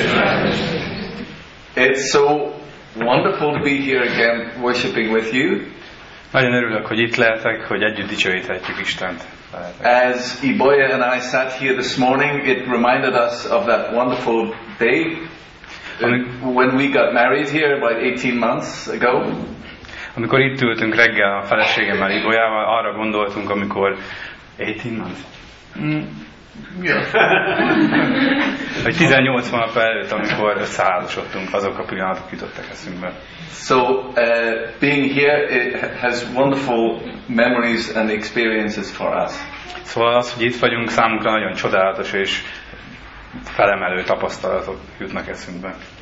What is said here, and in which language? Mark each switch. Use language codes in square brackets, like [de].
[en] It's so wonderful to be here again, worshiping with you. [hu] Nagyon örülök, hogy itt lehetek, hogy együtt dicsőíthetjük Istent. [en] As Iboya and I sat here this morning, it reminded us of that wonderful day when we got married here about 18 months ago. [hu] Amikor itt ültünk reggel a feleségemmel, Ibolyával, arra gondoltunk, amikor [en] 18 months. Yeah. [hu] Hogy 18 hónap előtt, amikor összeházasodtunk, azok a pillanatok jutottak eszünkbe. [en] So, being here it has wonderful memories and experiences for us. [hu] Szóval az, hogy itt vagyunk, számunkra nagyon csodálatos és felemelő tapasztalatok jutnak eszünkbe.